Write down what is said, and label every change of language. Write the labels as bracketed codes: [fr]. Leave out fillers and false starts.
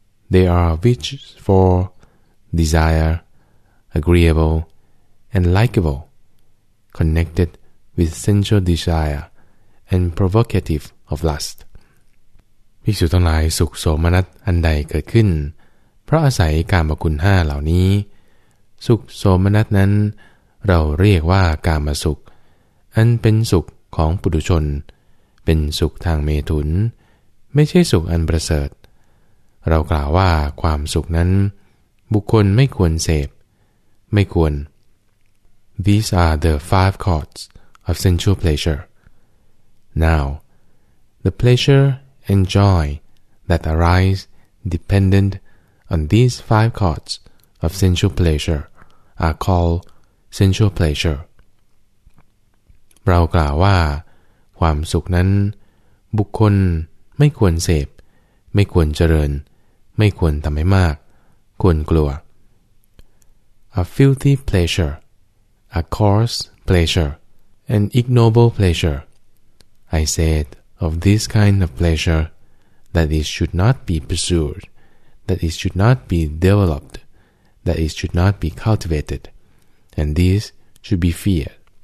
[en] They are which for desire, agreeable and likable, connected with sensual desire and provocative of lust. [th] ภิกษุทั้งหลายสุขโสมนัสอันใดเกิดขึ้นเพราะอาศัยกามคุณ5เหล่านี้สุขโสมนัสนั้นเราเรียกว่ากามสุขอันเป็นสุขของปุถุชนเป็นสุขทางเมถุนไม่ใช่สุขอันประเสริฐเรากล่าวว่าความสุขนั้นบุคคลไม่ควรเสพไม่ควร [en] These are the five chords of sensual pleasure. Now, the pleasureAnd joy that arise dependent on these five chords of sensual pleasure are called sensual pleasure. [th] เรากล่าวว่าความสุขนั้นบุคคลไม่ควรเสพไม่ควรเจริญไม่ควรทำให้มากควรกลัว [en] A filthy pleasure, a coarse pleasure, an ignoble pleasure, I said. Of this kind of pleasure, that it should not be pursued, that it should not be developed, that it should not be cultivated, and this should be feared.